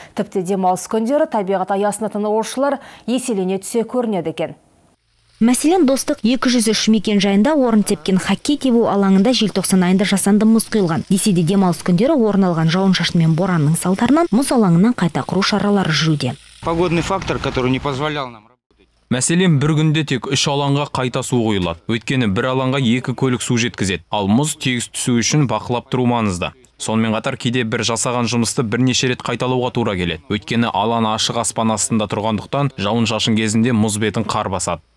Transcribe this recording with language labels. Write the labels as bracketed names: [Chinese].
[Kazakh] Тіпті демалыс күндері табиғат аясына тынығушылар еселене түсе көрінеді екен. Мәселен, Достық 203 мекен жайында орын тепкен хоккей тебу алаңында 90 айында жасанды мұз құйылған. Десе де демалыс күндері орын алған жауын шашын мен боранның салдарынан мұз алаңынан қайта құру шаралары жүруде. [Russian] Погодный фактор, который не позволял нам работать. [Kazakh] Мәселен, бір күнде тек үш алаңға қайта су құйылады. Өйткені бір алаңға екі көлік су жеткізеді. Ал мұз тегіс түсу үшін бақылап тұру маңызды. Сонымен қатар кейде бір жасаған жұмысты бірнеше рет қайталауға тура келеді. Өйткені алаң ашық аспан астында тұрғандықтан жауын шашын кезінде мұз бетін қар басады.